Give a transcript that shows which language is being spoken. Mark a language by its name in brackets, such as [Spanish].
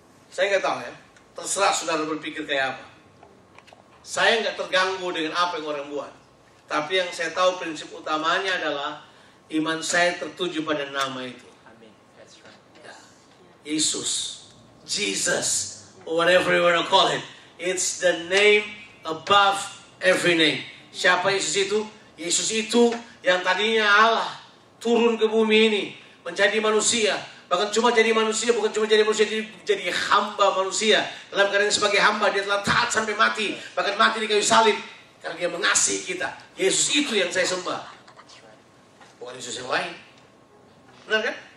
[Indonesian] Saya nggak tahu ya. Terserah saudara berpikir kayak apa. Saya nggak terganggu dengan apa yang orang buat. Tapi yang saya tahu prinsip utamanya adalah iman saya tertuju pada nama itu. [English] Amin. That's right. Yeah. Yesus. Jesus. Whatever you want to call him. It's the name above every name. [Indonesian] Siapa Yesus itu? Yesus itu yang tadinya Allah turun ke bumi ini. Menjadi manusia. Bahkan cuma jadi manusia, bukan cuma jadi manusia, jadi hamba manusia. Dalam keadaan sebagai hamba, dia telah taat sampai mati. Bahkan mati di kayu salib. Karena dia mengasihi kita. Yesus itu yang saya sembah. Bukan Yesus yang lain. Benar kan?